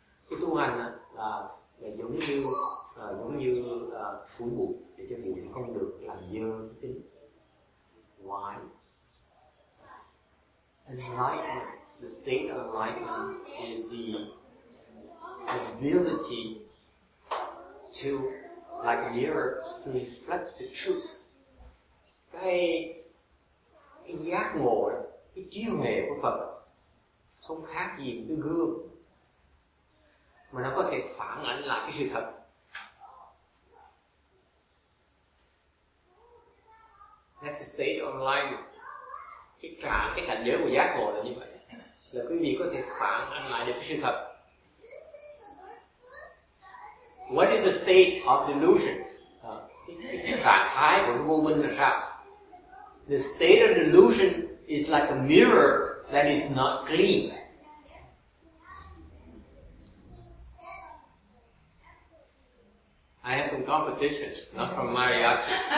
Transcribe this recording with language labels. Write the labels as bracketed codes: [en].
[vi] Cái tu hành là giống như phủ bụi để cho bụi không được làm dơ cái tính. [en] Why? Enlightenment. The state of enlightenment is the ability to, like a mirror, to reflect the truth. [vi] Cái giác ngộ, cái trí huệ của Phật không khác gì một cái gương mà nó có thể phản ánh lại cái sự thật. [en] That's the state of enlightenment. [vi] Cái cảnh giới của giác ngộ là như vậy. Là quý vị có thể phản ánh lại được cái sự thật. [en] What is the state of delusion? [vi] Cái trạng thái của vô minh là sao? [en] The state of delusion is like a mirror that is not clean. I have some competition, not from mariachi.